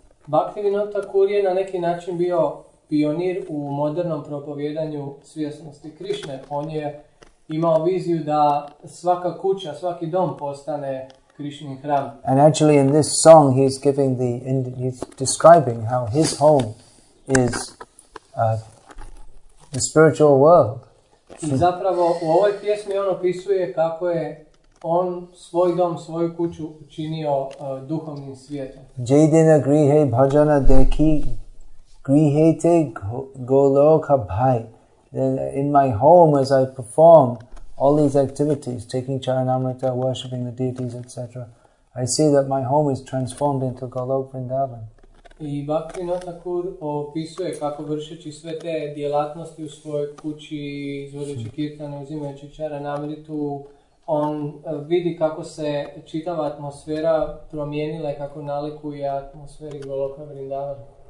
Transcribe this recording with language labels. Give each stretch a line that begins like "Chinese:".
Croatian: Bhaktivinoda Thakur je na neki način bio pionir u modernom propovjedanju svjesnosti Krišne. On je imao viziju da svaka kuća, svaki dom postane Krišnin hram.
English: And actually in this song he's describing how his home is the spiritual world.
Croatian: I zapravo u ovoj pjesmi on opisuje kako je on svoj dom, svoju kuću učinio duhovnim svijetom.
Bangla: Jedina grihe bhajana deki grihete goloka bhai.
English: In my home as I perform all these activities, taking charanamrita, worshipping the deities, etc., I see that my home is transformed into Golok Vrindavan.
Croatian: I Bhaktivinoda Thakur opisuje kako vršeći sve te djelatnosti u svojoj kući, izvodeći kirtane, uzimajući charanamritu, on vidi kako se čitava atmosfera promijenila i kako nalikuje atmosferi Goloka Vrindavana.